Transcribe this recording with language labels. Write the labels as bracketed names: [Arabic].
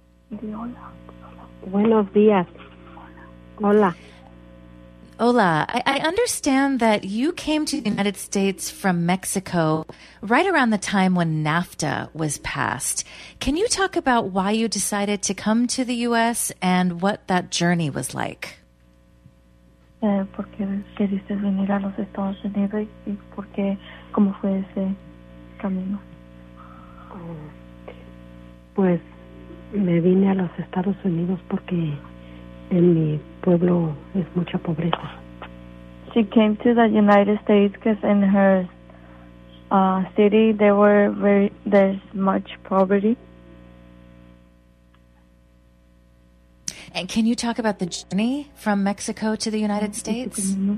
[Spanish] Buenos días. Hola. Hola. [English] I understand that you came to the United States from Mexico right around the time when NAFTA was passed. Can you talk about why you decided to come to the U.S. and what that journey was like? [Spanish] Porque queriste venir a los Estados Unidos y porque cómo fue ese camino. Pues me vine a los Estados Unidos porque en mi pueblo es mucha pobreza. [English] She came to the United States because in her city there's much poverty. And can you talk about the journey from Mexico to the United States?